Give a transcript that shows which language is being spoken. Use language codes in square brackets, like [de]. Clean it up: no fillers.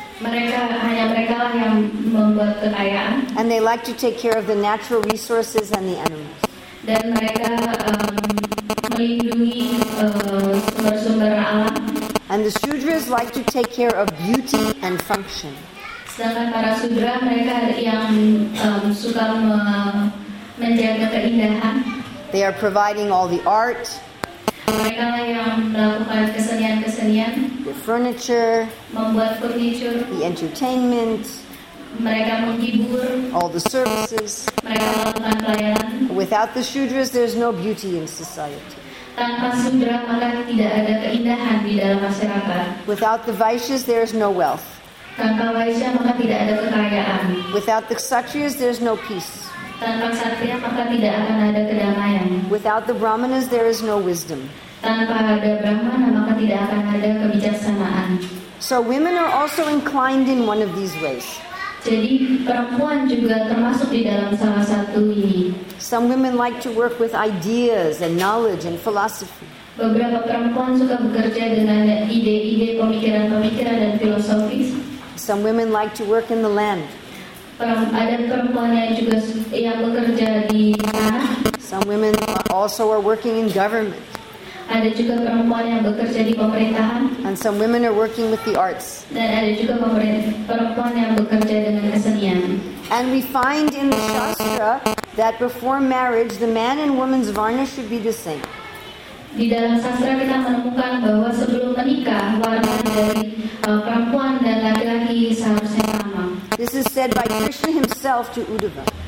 [id] Mereka hanya mereka lah yang membuat kekayaan. [en] And they like to take care of the natural resources and the animals. [id] Dan mereka melindungi sumber-sumber alam. [en] And the Shudras like to take care of beauty and function. [id] Sedangkan para Shudra mereka yang suka menjaga keindahan. [en] They are providing all the art. [id] Mereka lah yang melakukan kesenian-kesenian. [en] The furniture, [id] membuat furniture, [en] the entertainment, [id] mereka menghibur, [en] all the services, [id] mereka melakukan pelayanan. [en] Without the Shudras, there's no beauty in society. [id] Tanpa Shudra, maka tidak ada keindahan di dalam masyarakat. [en] Without the Vaishyas, there's no wealth. [id] Tanpa Vaishya, maka tidak ada kekayaan. [en] Without the Kshatriyas, there's no peace. [id] Tanpa Kshatriya, maka tidak akan ada kedamaian. [en] Without the Brahmanas, there is no wisdom. [id] Tanpa ada Brahmana maka tidak akan ada kebijaksanaan. [en] So women are also inclined in one of these ways. [id] Jadi perempuan juga termasuk di dalam salah satu ini. [en] Some women like to work with ideas and knowledge and philosophy. [id] Beberapa perempuan suka bekerja dengan ide-ide, pemikiran-pemikiran dan filosofis. [en] Some women like to work in the land. [id] Ada perempuan yang juga yang bekerja di tanah. [en] Some women also are working in government. [id] Ada juga perempuan yang bekerja di pemerintahan. [en] And some women are working with the arts. [id] Dan ada juga perempuan yang bekerja dengan kesenian. [en] And we find in the Shastra that before marriage, the man and woman's varna should be the same. [id] Di dalam sastra kita menemukan bahwa sebelum menikah warna dari perempuan dan laki-laki seharusnya sama. [en] This is said by Krishna himself to Uddhava.